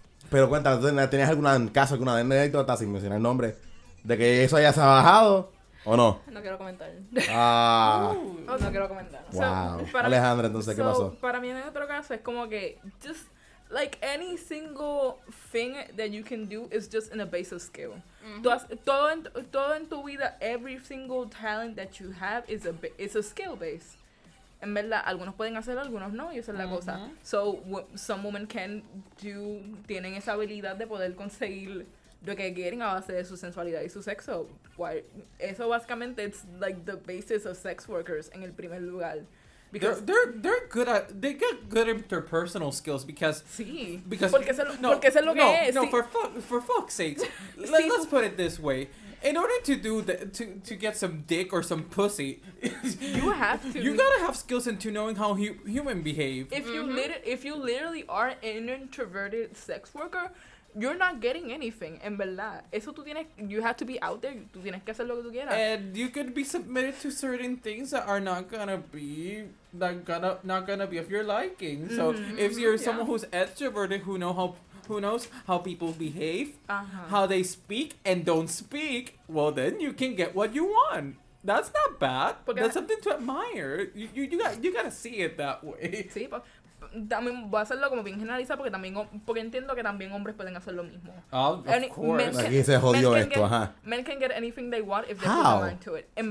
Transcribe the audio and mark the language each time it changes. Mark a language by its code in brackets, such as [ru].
[es] Pero cuéntame, ¿tenías algún caso, alguna anécdota sin mencionar el nombre? ¿De que eso haya se bajado o no? No quiero comentar. Wow. So, Alejandra, entonces, ¿qué pasó? Para mí en otro caso es como que... [en] just like any single thing that you can do is just in a basic skill. Mm-hmm. [es] Todo en tu vida, [en] every single talent that you have is a skill base. [es] En verdad, algunos pueden hacer, algunos no, y esa es la cosa. [en] So some women can do, [es] tienen esa habilidad de poder conseguir lo que quieren a base de su sensualidad y su sexo. Eso básicamente [en] it's like the basis of sex workers [es] en el primer lugar. [en] Because they got good interpersonal skills because [es] sí. [en] Because for fuck's sake, let's put it this way: in order to do to get some dick or some pussy, you gotta have skills into knowing how human behave. If you literally are an introverted sex worker, you're not getting anything, [es] en verdad. Eso tú tienes, [en] you have to be out there, [es] tú tienes que hacer lo que tú quieras. [en] And you could be submitted to certain things that are not gonna be of your liking. So if you're someone who's extroverted, who knows how people behave, how they speak and don't speak, well then you can get what you want. That's not bad. That's something to admire. You gotta see it that way. [es] Sí, también voy a hacerlo como bien generalizado porque entiendo que también hombres pueden hacer lo mismo. Aquí se jodió esto, ajá. [en] Men can get anything they want if they put mind to it.